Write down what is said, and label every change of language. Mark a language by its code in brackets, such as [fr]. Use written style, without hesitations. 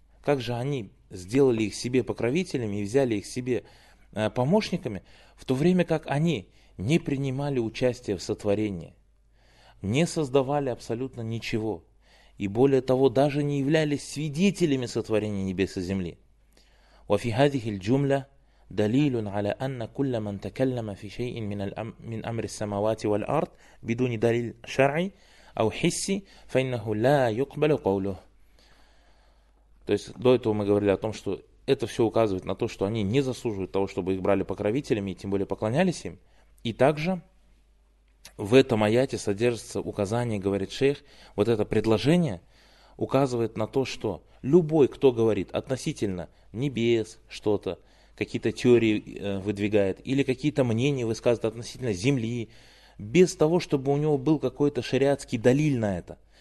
[ru] Как же они сделали их себе покровителями и взяли их себе помощниками, в то время как они не принимали участие в сотворении, не создавали абсолютно ничего, и более того, даже не являлись свидетелями сотворения небес и земли? [ar] وفي هذه الجملة دليل على أن كل من تكلم في شيء من أمر السماوات والأرض بدون دليل شرعي أو حسي فإنه لا يقبل قوله. [ru] То есть до этого мы говорили о том, что это все указывает на то, что они не заслуживают того, чтобы их брали покровителями и тем более поклонялись им. И также в этом аяте содержится указание, говорит шейх, вот это предложение указывает на то, что любой, кто говорит относительно небес что-то, какие-то теории выдвигает или какие-то мнения высказывает относительно земли, без того, чтобы у него был какой-то шариатский далиль на это.